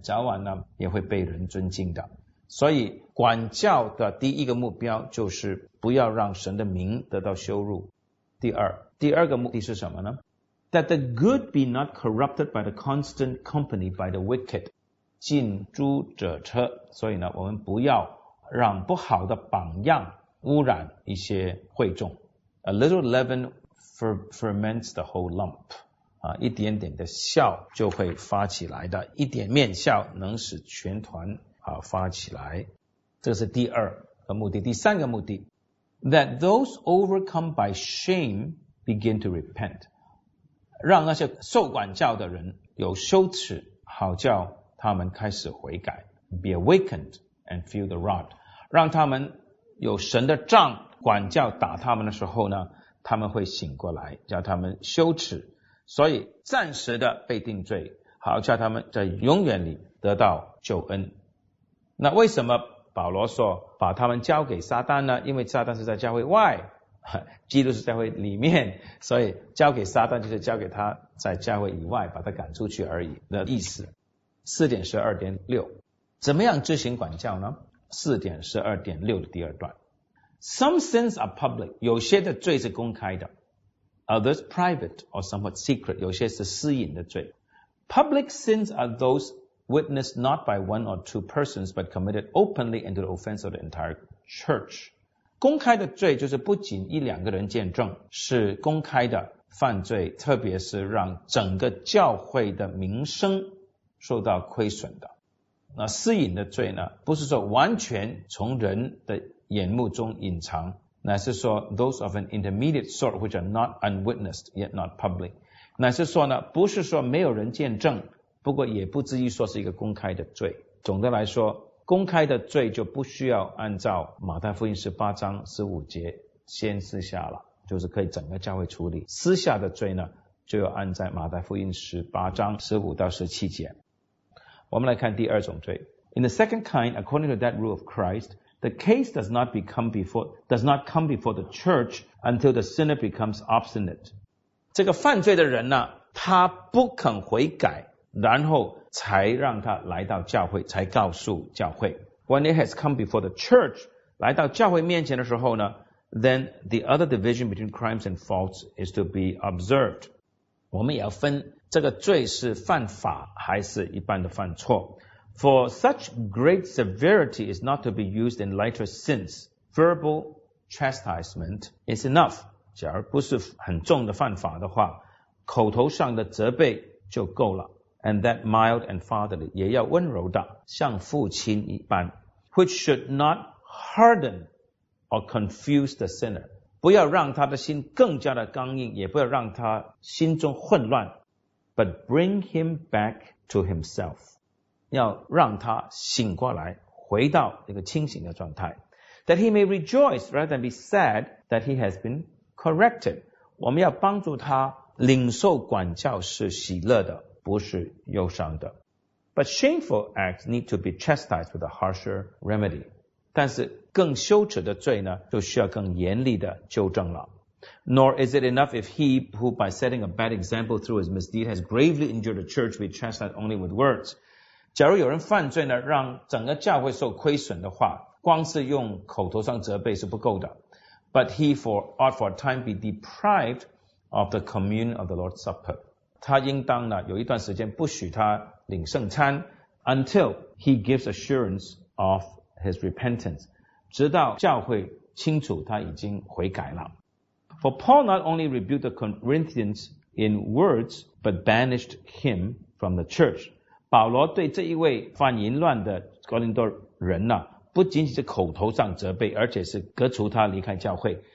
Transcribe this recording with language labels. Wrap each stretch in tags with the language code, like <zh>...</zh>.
<zh>早晚呢也会被人尊敬的。所以管教的第一个目标就是不要让神的名得到羞辱。第二个目的是什么呢？</zh> <en>That the good be not corrupted by the constant company by the wicked.</en> <zh>近朱者赤。所以呢我们不要让不好的榜样污染一些会众。</zh> <en>A little leaven ferments the whole lump.</en> <zh>一点点的笑就会发起来的，一点面笑能使全团发起来。这是第二个目的。第三个目的，</zh> <en>That those overcome by shame begin to repent.</en> <zh>让那些受管教的人有羞耻，好叫他们开始悔改。</zh> <en>Be awakened and feel the rod.</en> <zh>让他们有神的杖管教打他们的时候呢，他们会醒过来，叫他们羞耻。所以暂时的被定罪，好叫他们在永远里得到救恩。那为什么保罗说把他们交给撒旦呢？因为撒旦是在教会外，基督是教会里面，所以交给撒旦就是交给他在教会以外把他赶出去而已的意思。 4.12.6 怎么样执行管教呢？ 4.12.6 的第二段，</zh> <en>Some sins are public，</en> <zh>有些的罪是公开的。</zh> <en>Others private or somewhat secret,</en> <zh>有些是私隐的罪。</zh> <en>Public sins are those witnessed not by one or two persons, but committed openly and to the offense of the entire church.</en> <zh>公开的罪就是不仅一两个人见证，是公开的犯罪，特别是让整个教会的名声受到亏损的。那私隐的罪呢，不是说完全从人的眼目中隐藏，乃是说</zh> <en>those of an intermediate sort which are not unwitnessed yet not public，</en> <zh>乃是说呢不是说没有人见证，不过也不至于说是一个公开的罪。总的来说，公开的罪就不需要按照马太福音18:15先私下了，就是可以整个教会处理，私下的罪呢就要按在马太福音18:15-17。我们来看第二种罪。</zh> <en>In the second kind, according to that rule of ChristThe case does not come before the church until the sinner becomes obstinate.</en> <zh>这个犯罪的人呢，他不肯悔改，然后才让他来到教会，才告诉教会。</zh> <en>When it has come before the church,</en> <zh>来到教会面前的时候呢，</zh> <en>then the other division between crimes and faults is to be observed.</en> <zh>我们也要分这个罪是犯法还是一般的犯错。</zh> <en>For such great severity is not to be used in lighter sins. Verbal chastisement is enough.</en> <zh>假如不是很重的犯法的话，口头上的责备就够了。</zh> <en>And that mild and fatherly</en> <zh>也要温柔的，像父亲一般。</zh> <en>Which should not harden or confuse the sinner.</en> <zh>不要让他的心更加的刚硬，也不要让他心中混乱。</zh> <en>But bring him back to himself.</en> <zh>要让他醒过来，回到一个清醒的状态。</zh> <en>That he may rejoice rather than be sad that he has been corrected.</en> <zh>我们要帮助他领受管教是喜乐的，不是忧伤的。</zh> <en>But shameful acts need to be chastised with a harsher remedy.</en> <zh>但是更羞耻的罪呢，就需要更严厉的纠正了。</zh> <en>Nor is it enough if he who by setting a bad example through his misdeed has gravely injured the church be chastised only with words.</en> <zh>假如有人犯罪呢，让整个教会受亏损的话，光是用口头上责备是不够的。</zh> <en>But he ought for a time be deprived of the communion of the Lord's Supper.</en> <zh>他应当呢，有一段时间不许他领圣餐</zh> <en>until he gives assurance of his repentance.</en> <zh>直到教会清楚他已经悔改了。</zh> <en>For Paul not only rebuked the Corinthians in words, but banished him from the church.</en> <zh>保罗对这一位犯淫乱的哥林多人呢，不仅仅是口头上责备，而且是革除他离开教会。</zh>